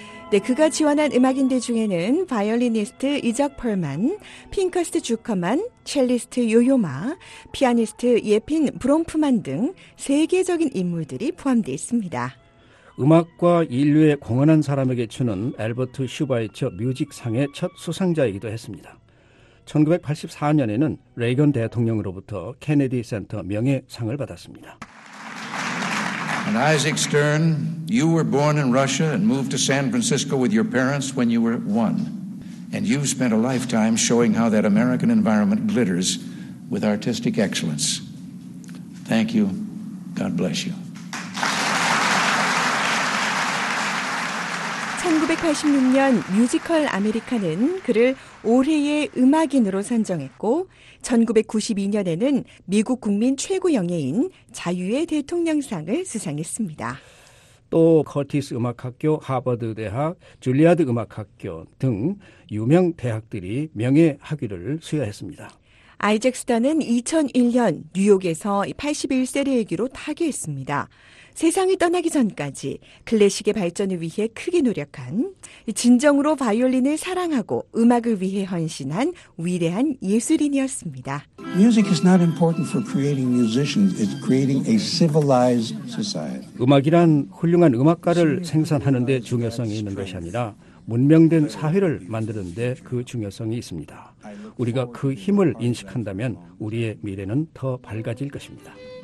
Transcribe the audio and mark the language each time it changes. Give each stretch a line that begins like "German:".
Korean: 네, 그가 지원한 음악인들 중에는 바이올리니스트 이작 펄만, 핑커스트 주커만, 첼리스트 요요마, 피아니스트 예핀 브롬프만 등 세계적인 인물들이 포함되어 있습니다. 음악과 인류에 공헌한 사람에게 주는 엘버트 슈바이처 뮤직상의 첫 수상자이기도 했습니다. 1984년에는 레이건 대통령으로부터 케네디 센터 명예상을 받았습니다.
English: And Isaac Stern, you were born in Russia and moved to San Francisco with your parents when you were one. And you've spent a lifetime showing how that American environment glitters with artistic excellence. Thank you. God bless you.
Korean: 1986년 뮤지컬 아메리카는 그를 올해의 음악인으로 선정했고 1992년에는 미국 국민 최고 영예인 자유의 대통령상을 수상했습니다. 또 커티스 음악학교, 하버드대학, 줄리아드 음악학교 등 유명 대학들이 명예 학위를 수여했습니다. 아이젝스턴은 2001년 뉴욕에서 81세를 일기로 타계했습니다. 세상을 떠나기 전까지 클래식의 발전을 위해 크게 노력한 진정으로 바이올린을 사랑하고 음악을 위해 헌신한 위대한 예술인이었습니다.
English: Music is not important for creating musicians. It's creating a civilized society.
Korean: 음악이란 훌륭한 음악가를 생산하는 데 중요성이 있는 것이 아니라 문명된 사회를 만드는 데 그 중요성이 있습니다. 우리가 그 힘을 인식한다면 우리의 미래는 더 밝아질 것입니다.